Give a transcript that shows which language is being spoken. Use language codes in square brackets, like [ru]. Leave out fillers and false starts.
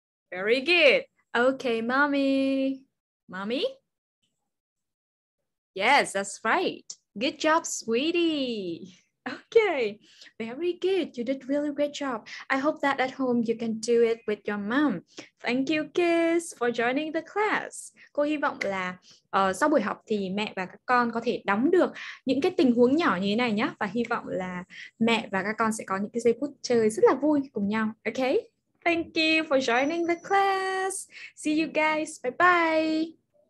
[en] Very good. Okay, mommy. Mommy? Yes, that's right. Good job, sweetie. Okay, very good. You did really great job. I hope that at home you can do it with your mom. Thank you, kids, for joining the class. [vi] Cô hy vọng là sau buổi học thì mẹ và các con có thể đóng được những cái tình huống nhỏ như thế này nhé. Và hy vọng là mẹ và các con sẽ có những cái giây phút chơi rất là vui cùng nhau. [en] Okay, thank you for joining the class. See you guys. Bye bye.